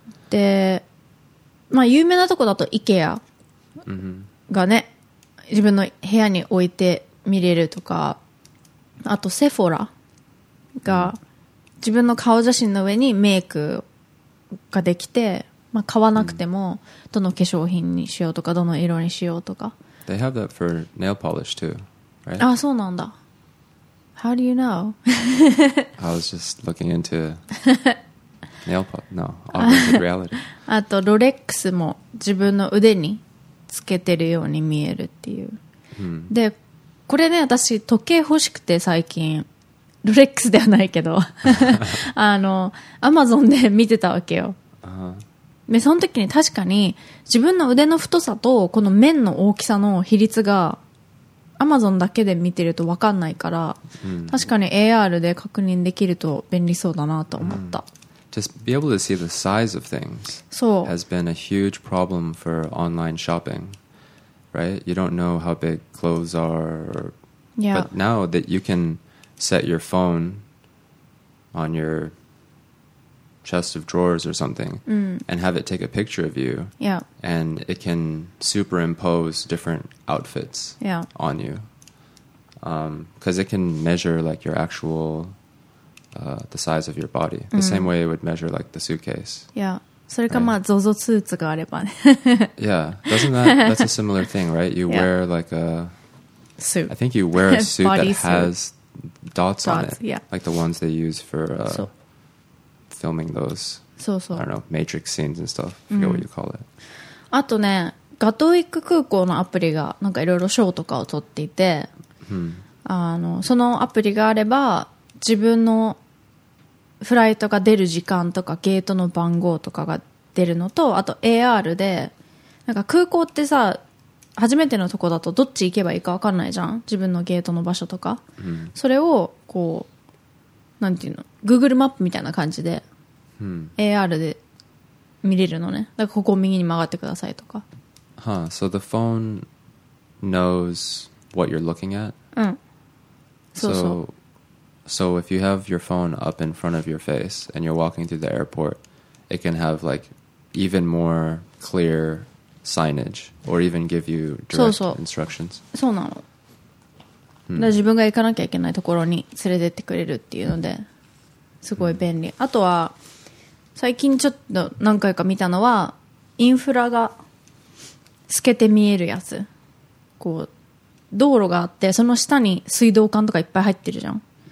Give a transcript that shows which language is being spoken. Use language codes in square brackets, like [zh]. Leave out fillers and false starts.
[ja] で、まあ有名なとこだと IKEA。がね、自分の部屋に置いて見れるとか、あとセフォラが自分の顔写真の上にメイクができて、まあ、買わなくてもどの化粧品にしようとか、どの色にしようとか。 [en] They have that for nail polish too, right? [ja] あ、そうなんだ。 [en] How do you know? I was just looking into nail polish. No, reality. [ja] あとロレックスも自分の腕につけてるように見えるっていう、で、これね、私時計欲しくて、最近ロレックスではないけどアマゾンで見てたわけよ、で、その時に確かに自分の腕の太さとこの面の大きさの比率がアマゾンだけで見てると分かんないから、確かに AR で確認できると便利そうだなと思った、 [en] Just be able to see the size of things has been a huge problem for online shopping, right? You don't know how big clothes are. Or... Yeah. But now that you can set your phone on your chest of drawers or something and have it take a picture of you, yeah, and it can superimpose different outfits on you, 'cause it can measure like your actual... the size of your body. The same way it would measure like the suitcase. [ja] Yeah. それか、まあ、ZOZO スーツがあればね。 [en] Yeah. Doesn't that, that's a similar thing, right? You wear like a... suit. I think you wear a suit that has dots on it. Yeah. Like the ones they use for filming those, I don't know, Matrix scenes and stuff. I forget what you call it. [ja] あとね、ガトウィック空港のアプリがなんかいろいろショーとかを撮っていて、うん、あのそのアプリがあれば自分のフライトが出る時間とかゲートの番号とかが出るのと、あと AR でなんか空港ってさ、初めてのとこだとどっち行けばいいか分かんないじゃん、自分のゲートの場所とか、うん、それをこうなんていうの、 Google マップみたいな感じで、うん、 AR で見れるのね。だからここを右に曲がってくださいとか。 [en] Huh. So the phone knows what you're looking at? [ja] うん。そうそう。 [en] So if you have your phone up in front of your face and you're walking through the airport, it can have like even more clear signage or even give you direct instructions. [ja] そうなの。 Hmm. だから自分が行かなきゃいけないところに連れてってくれるっていうので、すごい便利。 Hmm. あとは、最近ちょっと何回か見たのは、インフラが透けて見えるやつ。こう、道路があって、その下に水道管とかいっぱい入ってるじゃん。